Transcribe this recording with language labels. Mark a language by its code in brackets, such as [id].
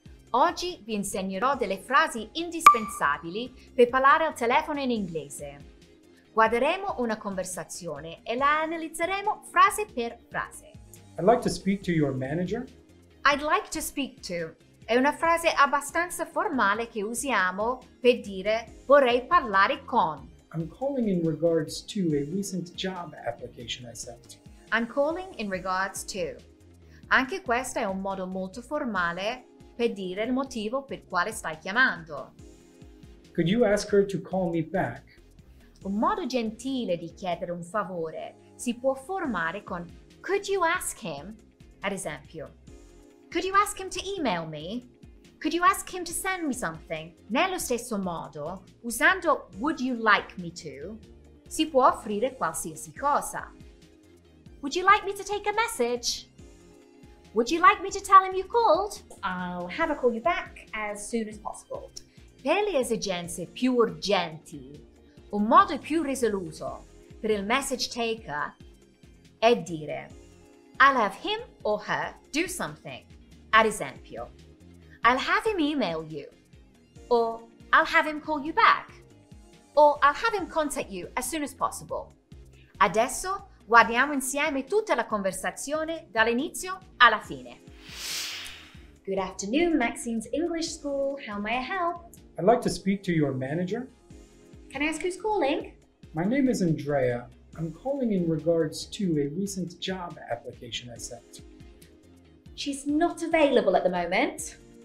[it] Oggi vi insegnerò delle frasi indispensabili per parlare al telefono in inglese. Guarderemo una conversazione e la analizzeremo frase per frase. [en] I'd like to speak to your manager. I'd like to speak to [it] è una frase abbastanza formale che usiamo per dire vorrei parlare con. I'm calling in regards to a recent job application I sent. [en] I'm calling in regards to. [it] Anche questo è un modo molto formale per dire il motivo per quale stai chiamando. [en] Could you ask her to call me back? [it] Un modo gentile di chiedere un favore si può formare con [en] could you ask him, [it] ad esempio. [en] Could you ask him to email me? Could you ask him to send me something? [it] Nello stesso modo, usando [en] would you like me to, [it] si può offrire qualsiasi cosa. [en] Would you like me to take a message? Would you like me to tell him you called? I'll have a call you back as soon as possible. [it] Per le esigenze più urgenti, un modo più risoluto per il message taker è dire [en] I'll have him or her do something. [it] Ad esempio, [en] I'll have him email you. Or I'll have him call you back. Or I'll have him contact you as soon as possible. [it] Adesso guardiamo insieme tutta la conversazione dall'inizio alla fine. [en] Good afternoon, Maxine's English School. How may I help? I'd like to speak to your manager. Can I ask who's calling? My name is Andrea. I'm calling in regards to a recent job application I sent. She's not available at the moment.